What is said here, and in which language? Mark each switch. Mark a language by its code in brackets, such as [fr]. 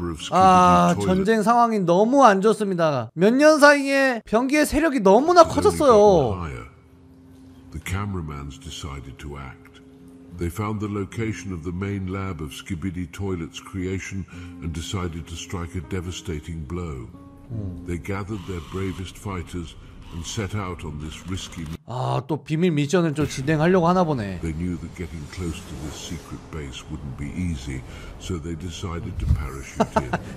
[ko] 아, 전쟁 상황이 너무 안 좋습니다. 몇 년 사이에 병기의 세력이 너무나 커졌어요. [en] The cameraman's decided to act. They found the location of the main lab of Skibidi Toilet's creation and decided to strike a devastating blow. They gathered their bravest fighters and set out on this risky. [ko] 아, 또 비밀 미션을 좀 진행하려고 하나 보네. [en] They knew that getting close to this secret base wouldn't be easy, so they decided to parachute in.